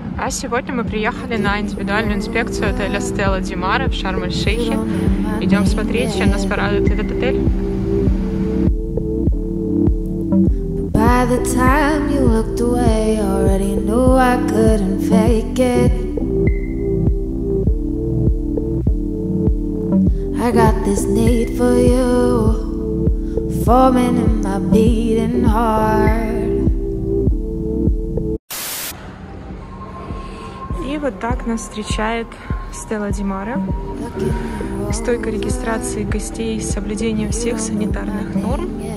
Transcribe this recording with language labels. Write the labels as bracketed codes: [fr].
[ru] сегодня мы приехали на индивидуальную инспекцию отеля Стелла Димара в Шарм-эль-Шейхе. Идем смотреть, чем нас порадует этот отель. [en] By the time you looked away, already knew I couldn't fake it. I got this need for you, forming in my beating heart. [ru] И вот так нас встречает Стелла Димара. Стойка регистрации гостей с соблюдением всех санитарных норм.